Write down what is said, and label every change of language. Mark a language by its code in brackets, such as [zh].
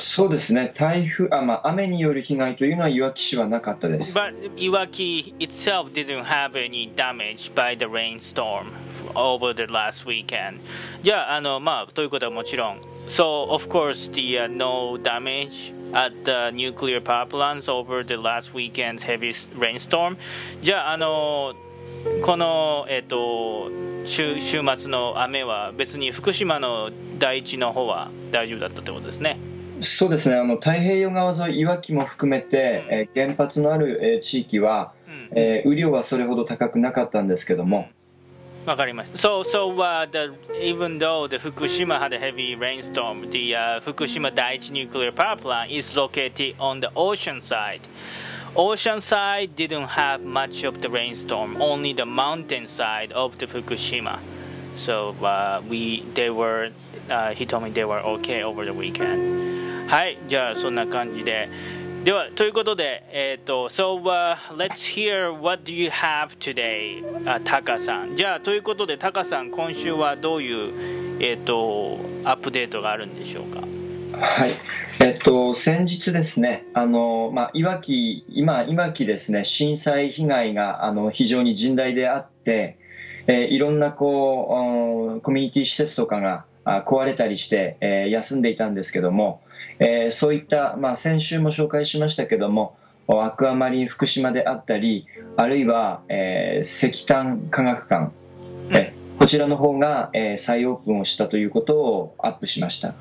[ja] そうですね、台風、雨による被害というのはいわき市はなかったです。 [en] But Iwaki itself didn't have any damage by the rainstorm over the last weekend. [ja] じゃあ、ということはもちろん、 [en] So of course the no damage at the nuclear power plants over the last weekend's heavy rainstorm. [ja] じゃあ、この、週末の雨は別に福島の第一の方は大丈夫だったということですね。そうですね、太平洋側沿い、いわきも含めて、原発のある、地域は、雨量はそれほど高くなかったんですけども。わかりました。 [en] So, the, even though the Fukushima had a heavy rainstorm, the Fukushima 第一 nuclear power plant is located on the ocean side. Ocean side didn't have much of the rainstorm, only the mountain side of the Fukushima. So, he told me they were okay over the weekend. [ja] はい、じゃあそんな感じで。では、ということで、 [en] let's hear what do you have today, Taka-san. [ja] じゃあということで、Taka-san、今週はどういう、アップデートがあるんでしょうか。はい、先日ですね、いわき、今いわきですね、震災被害が非常に甚大であって、いろんなこうコミュニティ施設とかが壊れたりして、休んでいたんですけども、そういった、先週も紹介しましたけども、アクアマリン福島であったり、あるいは、石炭化学館、こちらの方が、再オープンをしたということをアップしました。